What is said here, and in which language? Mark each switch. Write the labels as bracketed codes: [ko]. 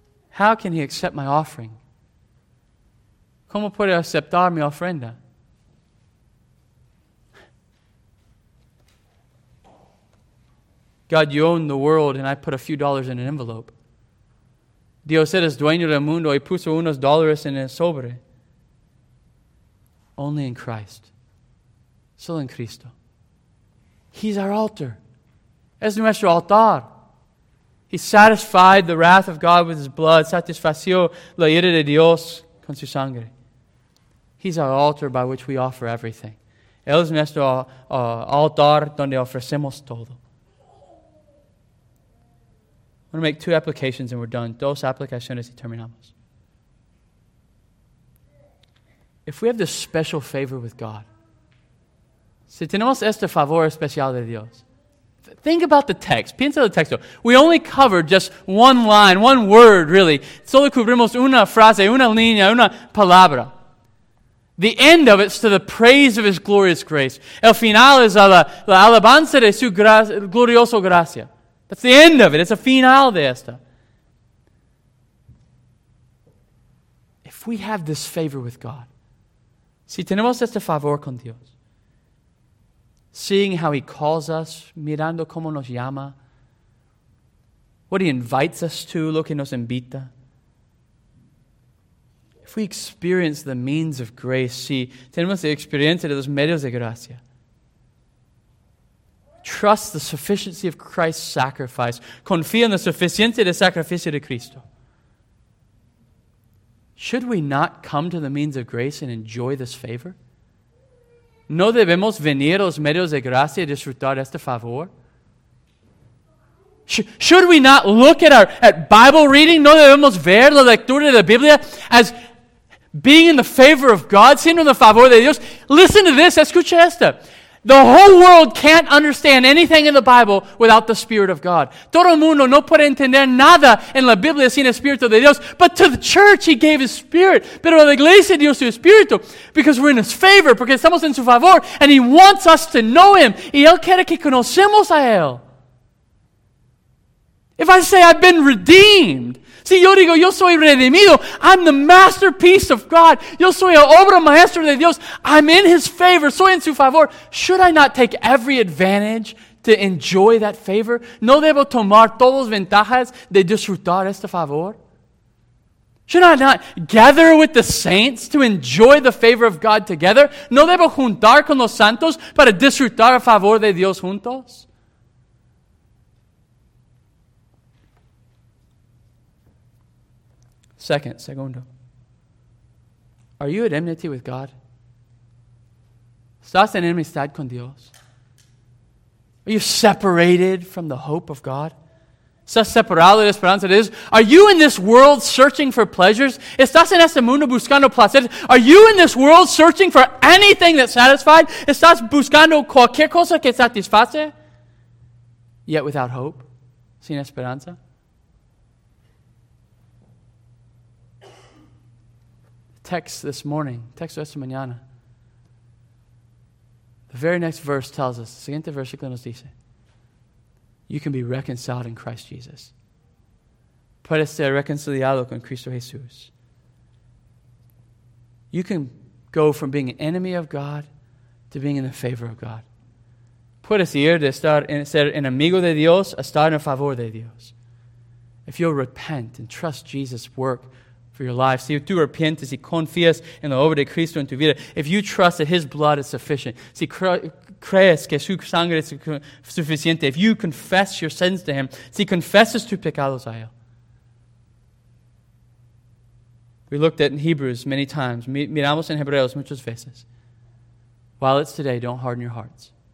[en] How can He accept my offering? [es] ¿Cómo puede aceptar mi ofrenda? [en] God, you own the world, and I put a few dollars in an envelope. [es] Dios eres dueño del mundo, y puso unos dólares en el sobre. [en] Only in Christ. [es] Solo en Cristo. [en] He's our altar. [es] Es nuestro altar. [en] He satisfied the wrath of God with His blood. [es] Satisfació la ira de Dios con su sangre. [en] He's our altar by which we offer everything. [es] Él es nuestro altar donde ofrecemos todo. [en] I'm going to make two applications and we're done. [es] Dos aplicaciones y terminamos. [en] If we have this special favor with God, [es] si tenemos este favor especial de Dios, [en] think about the text. [es] Piensa el texto. [en] We only covered just one line, one word, really. [es] Solo cubrimos una frase, una línea, una palabra. [en] The end of it is to the praise of His glorious grace. [es] El final es a la alabanza de su glorioso gracia. [en] That's the end of it. [es] It's a finale de esta. [en] If we have this favor with God, [es] si tenemos este favor con Dios, [en] seeing how He calls us, [es] mirando cómo nos llama, [en] what He invites us to, [es] lo que nos invita. [en] If we experience the means of grace, [es] si tenemos la experiencia de los medios de gracia, [en] trust the sufficiency of Christ's sacrifice. [es] Confía en la suficiencia del sacrificio de Cristo. [en] Should we not come to the means of grace and enjoy this favor? [es] ¿No debemos venir a los medios de gracia y disfrutar este favor? [en] Should we not look at Bible reading? [es] ¿No debemos ver la lectura de la Biblia [en] as being in the favor of God, [es] siendo en el favor de Dios? [en] Listen to this. [es] Escucha esto. [en] The whole world can't understand anything in the Bible without the Spirit of God. [es] Todo el mundo no puede entender nada en la Biblia sin el Espíritu de Dios. [en] But to the church, He gave His Spirit. [es] Pero a la iglesia dio su Espíritu. [en] Because we're in His favor, [es] porque estamos en su favor. [en] And He wants us to know Him. [es] Y Él quiere que conocemos a Él. [en] If I say I've been redeemed, [es] si yo digo yo soy redimido, [en] I'm the masterpiece of God. [es] Yo soy el obra maestra de Dios. [en] I'm in His favor. [es] Soy en su favor. [en] Should I not take every advantage to enjoy that favor? [es] ¿No debo tomar todas las ventajas de disfrutar este favor? [en] Should I not gather with the saints to enjoy the favor of God together? [es] ¿No debo juntar con los santos para disfrutar el favor de Dios juntos? Segundo. [en] Are you at enmity with God? [es] ¿Estás en enemistad con Dios? [en] Are you separated from the hope of God? [es] ¿Estás separado de la esperanza de Dios? [en] Are you in this world searching for pleasures? [es] ¿Estás en este mundo buscando placeres? [en] Are you in this world searching for anything that's satisfied? [es] ¿Estás buscando cualquier cosa que satisface? [en] Yet without hope, [es] sin esperanza. [en] Text this morning, [es] texto esta mañana. [en] The very next verse tells us, [es] siguiente versículo nos dice, [en] you can be reconciled in Christ Jesus. [es] Puedes ser reconciliado con Cristo Jesús. [en] You can go from being an enemy of God to being in the favor of God. [es] Puedes ir de ser enemigo de Dios a estar en favor de Dios. [en] If you'll repent and trust Jesus' work for your life. [es] Si tú arrepientes y confías en la obra de Cristo en tu vida. [en] If you trust that His blood is sufficient. [es] Si crees que su sangre es suficiente. [en] If you confess your sins to Him. [es] Si confesses tus pecados a Él. [en] We looked at in Hebrews many times. [es] Miramos en Hebreos muchas veces. [en] While it's today, don't harden your hearts.